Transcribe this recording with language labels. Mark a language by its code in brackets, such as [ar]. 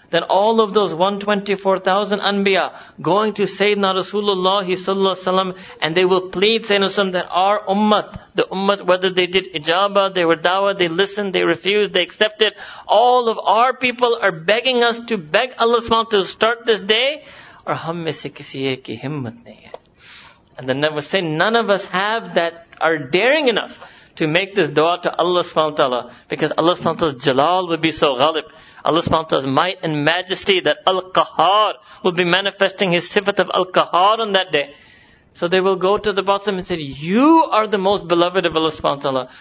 [en] Then all of those 124,000 Anbiya going to Sayyidina Rasulullah sallallahu alayhi wa sallam, and they will plead Sayyidina Rasulullah that our ummah, the ummah, whether they did ijaba, they were dawah, they listened, they refused, they accepted, all of our people are begging us to beg Allah subhanahu wa ta'ala to start this day. [ur] اور ہم میں کسی کی ہمت نہیں ہے. [en] And then they will say, none of us have that, are daring enough to make this dua to Allah subhanahu wa ta'ala, because Allah subhanahu wa ta'ala's jalal would be so ghalib. Allah subhanahu wa ta'ala's might and majesty, that Al-Qahhar, will be manifesting his sifat of Al-Qahhar on that day. So they will go to the Prophet and say, you are the most beloved of Allah subhanahu wa ta'ala.